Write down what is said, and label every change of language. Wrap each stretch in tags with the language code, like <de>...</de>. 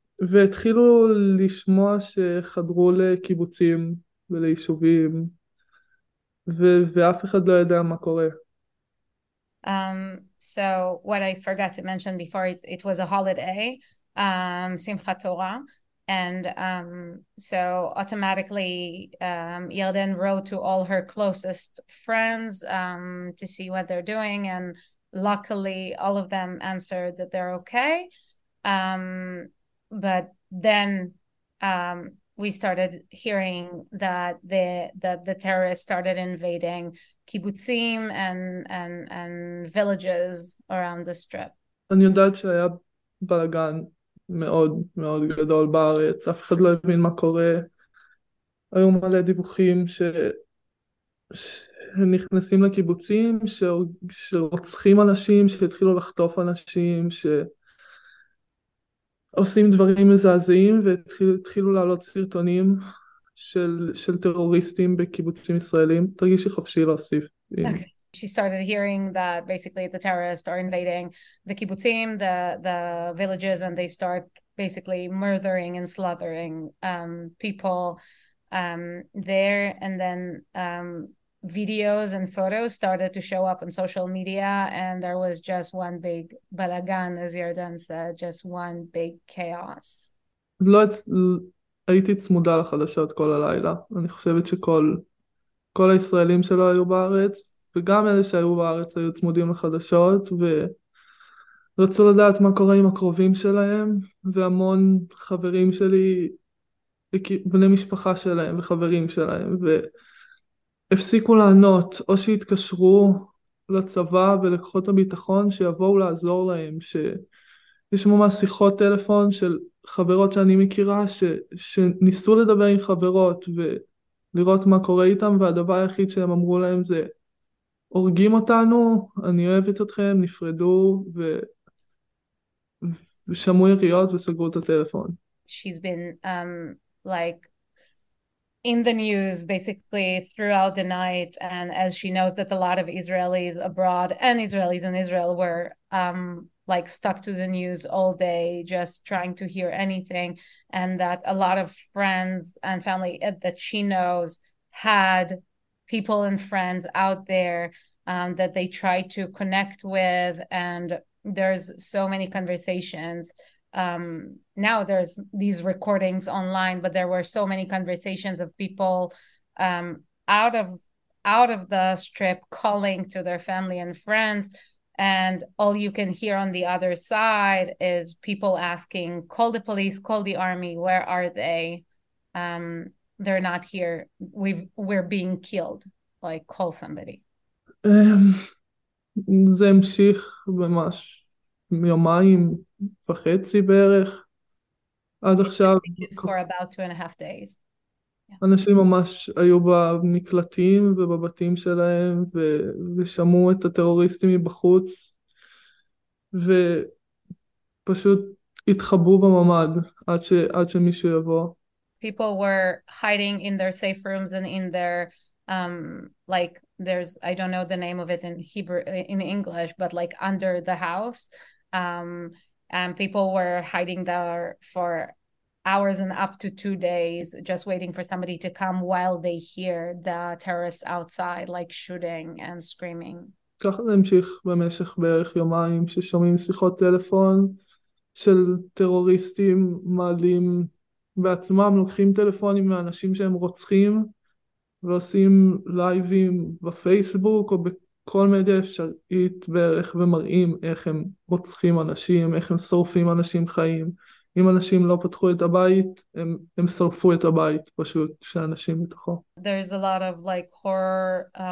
<he>והתחילו לשמוע שחדרו לקיבוצים וליישובים, ואף אחד לא יודע מה קורה.</he> <en>So what I forgot to mention before, it was a holiday, Simchat Torah. And so automatically Yelden wrote to all her closest friends to see what they're doing. And luckily, all of them answered that they're okay. But then we started hearing that the terrorists started invading kibbutzim and villages around the strip. And you know that was a balagan.</en> <he>מאוד מאוד גדול בארץ, אף אחד לא הבין מה קורה, היו מלא דיווחים שנכנסים לקיבוצים, שרוצחים אנשים, שהתחילו לחטוף אנשים, שעושים דברים מזעזעים, והתחילו לעלות סרטונים של טרוריסטים בקיבוצים ישראלים, תרגישי חופשי להוסיף.</he> <en>She started hearing that basically the terrorists are invading the kibbutzim, the villages, and they start basically murdering and slaughtering people there. And then videos and photos started to show up on social media, and there was just one big balagan, as Yerdan said, just one big chaos.</en> <he>הייתי צמודה לחדשות כל הלילה. אני חושבת שכל הישראלים שלא היו בארץ, וגם אלה שהיו בארץ היו צמודים לחדשות, ורצו לדעת מה קורה עם הקרובים שלהם, והמון חברים שלי, בני משפחה שלהם וחברים שלהם, והפסיקו לענות, או שהתקשרו לצבא ולקוחות הביטחון, שיבואו לעזור להם, שיש ממש שיחות טלפון של חברות שאני מכירה, שניסו לדבר עם חברות, ולראות מה קורה איתם, והדבר היחיד שהם אמרו להם זה, הורגים אותנו, אני אוהבת אתכם, נפרדו ושמעו יריות וסגרו את הטלפון.</he> <en>She's been like in the news basically throughout the night, and as she knows that a lot of Israelis abroad and Israelis in Israel were like stuck to the news all day just trying to hear anything, and that a lot of friends and family that she knows had people and friends out there that they try to connect with, and there's so many conversations. Now there's these recordings online, but there were so many conversations of people out of the strip calling to their family and friends, and all you can hear on the other side is people asking, call the police, call the army, where are they? They're not here, we're being killed, like call somebody.</en> <he>זה המשיך ממש יומיים וחצי בערך עד עכשיו,</he> <en>for about 2.5 days.</en> <he>אנשים ממש היו במקלטים ובבתים שלהם ושמעו את הטרוריסטים מבחוץ ופשוט התחבאו בממד עד שמישהו יבוא.</he> <en>People were hiding in their safe rooms and in their like there's, I don't know the name of it in Hebrew, in English, but like under the house, and people were hiding there for hours and up to 2 days just waiting for somebody to come while they hear the terrorists outside like shooting and screaming.</en> <he>ככה זה המשיך במשך בערך יומיים, ששומעים שיחות טלפון של טרוריסטים מעלים בעצמם, לוקחים טלפונים מאנשים שהם רוצחים ועושים לייבים בפייסבוק או בכל מדיה אפשרית בערך, ומראים איך הם רוצחים אנשים, איך הם שורפים אנשים חיים. אם אנשים לא פתחו את הבית, הם שורפו את הבית פשוט שאנשים מתוכו.</he> <en>There's a lot of like horror</en>